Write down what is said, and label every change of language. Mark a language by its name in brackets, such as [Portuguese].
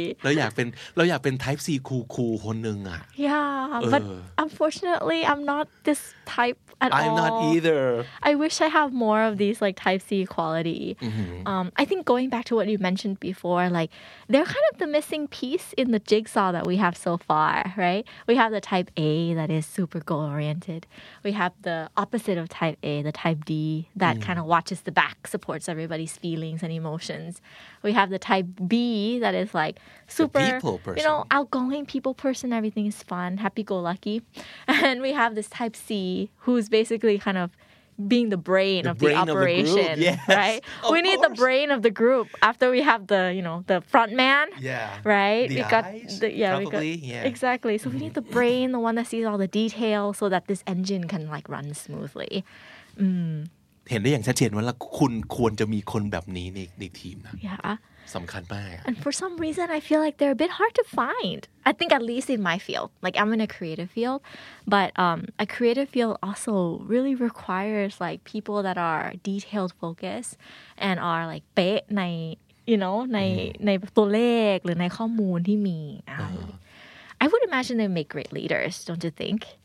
[Thai] เราอยากเป็น type C คูลคนนึงอ่ะ [English] Yeah, but unfortunately I'm not this type at all. I'm not either. I wish I have more of these like type C quality. Mm-hmm. I think going back to what you mentioned before, like they're kind of the missing piece in the jigsaw that we have so far, right? We have the type A that is super goal oriented. We have the opposite of type A, the type D that kind of watches the back, supports everybody's feelings and emotions. We have the type B that is like super, you know, outgoing people person. Everything is fun, happy-go-lucky. And we have this type C who's basically kind of being the brain the of brain the operation, of the group. Yes, right? Of we need course. The brain of the group after we have the, you know, the front man. Yeah. Right? The we got eyes, the, yeah, probably, we got, yeah. Exactly. So we need the brain, the one that sees all the details so that this engine can like run smoothly. [Thai] เห็นได้อย่างชัดเจนว่าคุณควรจะมีคนแบบนี้ในทีมนะ [English] yeah. [Thai] สำคัญมาก [English] And for some reason I feel like they're a bit hard to find I think at least in my field like I'm in a creative field but a creative field also really requires like people that are detailed focus and are like [Thai] เป๊ะใน [English] you know [Thai] ใน [English] mm-hmm. [Thai] ในตัวเลขหรือในข้อมูลที่มี [English] I would imagine they make great leaders don't you think